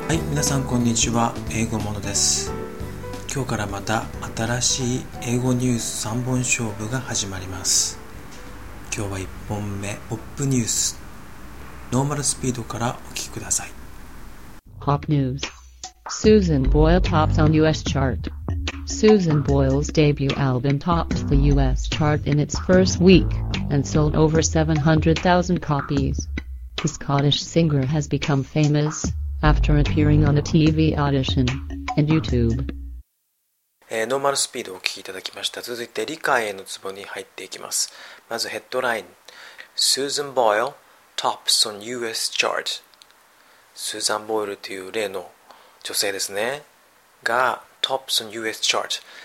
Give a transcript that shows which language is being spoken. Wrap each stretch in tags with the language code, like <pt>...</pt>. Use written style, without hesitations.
<ja>皆さんこんにちは、英語モノです。今日からまた新しい英語ニュース3本勝負が始まります。今日は1本目、ポップニュース、ノーマルスピードからお聞きください。</ja> <en>ポップニュース。Susan Boyle tops on US chart. Susan Boyle's debut album topped the US chart in its first week and sold over 700,000 copies. The Scottish singer has become famousAfter appearing on a TV audition and YouTube.</en> <ja>ノーマルスピードをお聞きいただきました。続いて理解へのツボに入っていきます。まずヘッドライン。</ja> <en>Susan Boyle tops on US chart.</en> <ja>スーザン・ボイルという例の女性ですね。</ja> <en>が tops on US chart.</en>